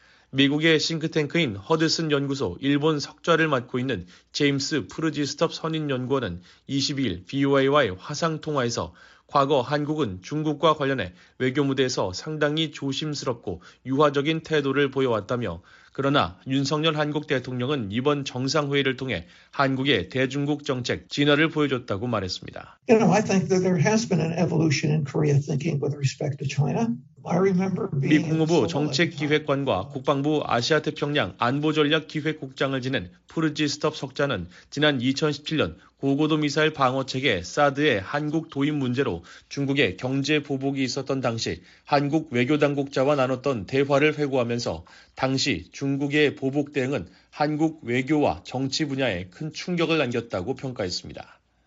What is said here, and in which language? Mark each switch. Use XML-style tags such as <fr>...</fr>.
<ko>미국의 싱크탱크인 허드슨 연구소 일본 석좌를 맡고 있는 제임스 프루지스톱 선임연구원은 22일 BOA와의 화상통화에서 과거 한국은 중국과 관련해 외교무대에서 상당히 조심스럽고 유화적인 태도를 보여왔다며 그러나 윤석열 한국 대통령은 이번 정상회의를 통해 한국의 대중국 정책 진화를 보여줬다고 말했습니다.</ko> <en>You know, I think that there has been an evolution in Korea thinking with respect to China.</en> <ko>미 국무부 정책기획관과 국방부 아시아태평양 안보전략기획국장을 지낸 프루지스톱 석좌는 지난 2017년 고고도 미사일 방어체계 사드의 한국 도입 문제로 중국의 경제 보복이 있었던 당시 한국 외교당국자와 나눴던 대화를 회고하면서 당시 중국의 보복 대응은 한국 외교와 정치 분야에 큰 충격을 안겼다고 평가했습니다.</ko>